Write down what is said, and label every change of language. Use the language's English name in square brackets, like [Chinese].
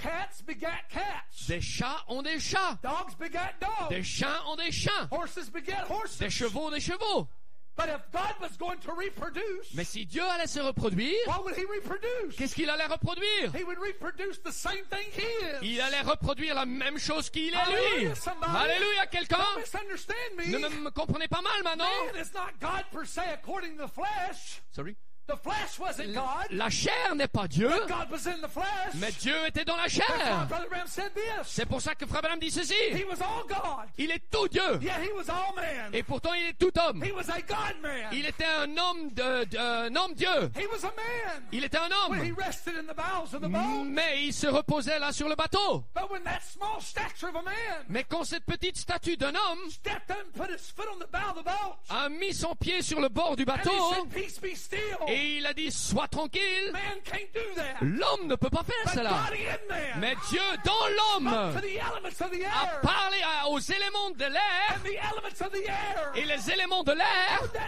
[English] Cats begat cats. [French] Des chats ont des chats. [English] Dogs begat dogs. [French] Des chiens ont des chiens. [English] Horses begat horses. [French] Des chevaux ont des chevaux. [English] But if God was going to reproduce, [French] mais si Dieu allait se reproduire, [English] what would he reproduce? [French] Qu'est-ce qu'il allait reproduire? [English] He would reproduce the same thing he is. [French] Il allait reproduire la même chose qu'il est lui. Alléluia, quelqu'un. [English] Don't misunderstand me. [French] Ne me comprenez pas mal maintenant. [English] Man is not God per se according to the flesh. Sorry. The flesh wasn't God. [French] La chair n'est pas Dieu. [English] But God was in the flesh. [French] Mais Dieu était dans la chair. [English] That's why Brother Branham said this. [French] C'est pour ça que Frère Branham dit ceci. [English] He was all God. [French] Il est tout Dieu. [English] Yeah, he was all man. [French] Et pourtant il est tout homme. [English] He was a God man. [French] Il était un homme Dieu. [English] He was a man. [French] Il était un homme. [English] When he rested in the bowels of the boat. [French] Mais il se reposait là sur le bateau. [English] But when that small stature of a man. [French] Mais quand cette petite statue d'un homme. [English] Stepped up and put his foot on the bow of the boat. [French] A mis son pied sur le bord du bateau. [English] And he said, "Peace be still." [French] Et il a dit, sois tranquille. [English] Man can't do that. [French] L'homme ne peut pas faire cela. Mais Dieu dans l'homme a parlé aux éléments de l'air. [English] And the elements of the air. [French] Et les éléments de l'air